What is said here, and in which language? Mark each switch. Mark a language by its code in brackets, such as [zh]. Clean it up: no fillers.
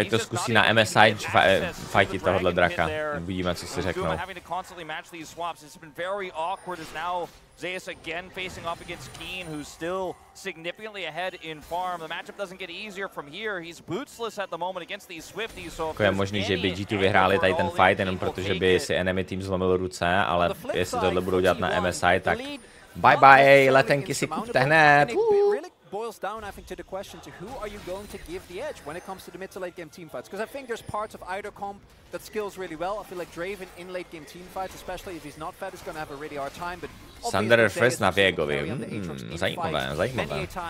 [cs] Tak ať to zkusí na MSI fighti tohohle draka. Uvidíme, co si řeknou. [en] Having to constantly match these swaps, it's been very awkward as now. Zayas again facing off against Keen, who's still significantly ahead in farm. The matchup doesn't get easier from here. He's bootsless at the moment against these Swifties. So [cs] je možný, že by G2 vyhráli tady ten fight, jenom protože by si enemy team zlomil ruce, ale jestli tohle budou dělat na MSI, tak [en] bye bye, [cs] letenky si kupte hned. [en] Boils down, I think, to the question to who are you going to give the edge when it comes to the mid to late game teamfights. Because I think there's parts of either comp that skills really well. I feel like Draven in late game teamfights, especially if he's not fed, is going to have a really hard time. But [cs] Sander first na Viegovi. Zajímavé.